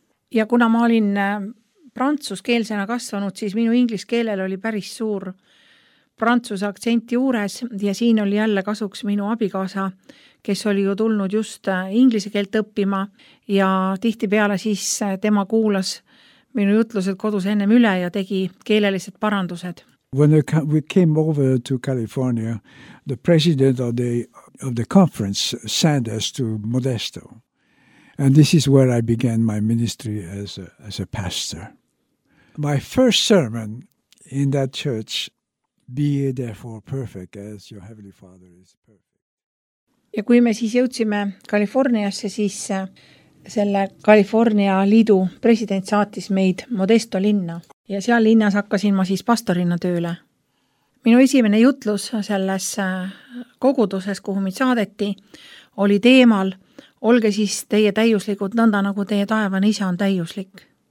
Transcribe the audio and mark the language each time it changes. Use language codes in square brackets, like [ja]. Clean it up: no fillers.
[et] Ja kuna ma olin prantsuskeelsena kasvanud, siis minu ingliskeelel oli päris suur prantsuse aktsent juures ja siin oli jälle kasuks minu abikaasa, kes oli ju tulnud just ingliskeelt õppima ja tihti peale siis tema kuulas minu jutlused kodus ennem üle ja tegi keelelised parandused. [en] When we came over to California, the president of the conference sent us to Modesto. And this is where I began my ministry as a pastor. My first sermon in that church, be therefore perfect as your heavenly father is perfect. [et] Ja kui me siis jõudsime Kaliforniasse, siis selle Kalifornia liidu president saatis meid Modesto linna. Ja seal linnas hakkasin ma siis pastorina tööle. Minu esimene jutlus selles koguduses, kuhu mid saadeti, oli teemal, olge siis teie täiuslikud nõnda, nagu teie taevane isa on täiuslik.